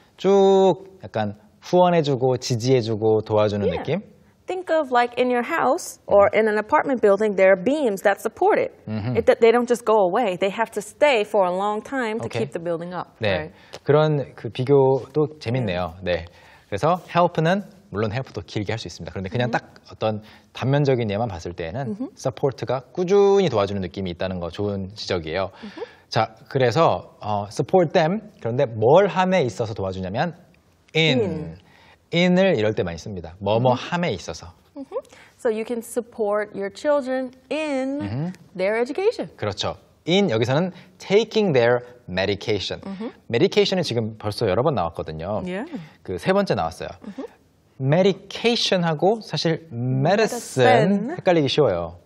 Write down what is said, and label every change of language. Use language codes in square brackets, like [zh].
[ko] 쭉 약간 후원해주고 지지해주고 도와주는 [en] yeah. [ko] 느낌. [en] Think of like in your house or in an apartment building, there are beams that support it. Mm-hmm. They don't just go away. They have to stay for a long time to okay. keep the building up. [ko] 네, [en] right? [ko] 그런 그 비교도 재밌네요. Yeah. 네, 그래서 help는 물론 help도 길게 할 수 있습니다. 그런데 그냥 mm-hmm. 딱 어떤 단면적인 예만 봤을 때에는 mm-hmm. support가 꾸준히 도와주는 느낌이 있다는 거 좋은 지적이에요. Mm-hmm. 자, 그래서 [en] support them, [ko] 그런데 뭘 함에 있어서 도와주냐면 in. [en] In. [ko] in을 이럴 때 많이 씁니다. 뭐뭐 함에 있어서. Mm-hmm. [en] So you can support your children in their education. [ko] 그렇죠. In 여기서는 [en] taking their medication. [ko] Medication은 지금 벌써 여러 번 나왔거든요. [en] Yeah. [ko] 그 세 번째 나왔어요. Medication 하고 사실 medicine 헷갈리기 쉬워요.